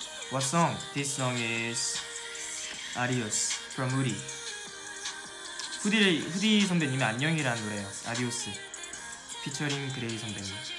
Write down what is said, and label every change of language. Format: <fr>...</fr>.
<en>왓송, this song is Adios from Hoodie.</en> <ko>후디 선배님의 안녕이라는 노래예요.</ko> <en>Adios, featuring Gray 선배님.</en>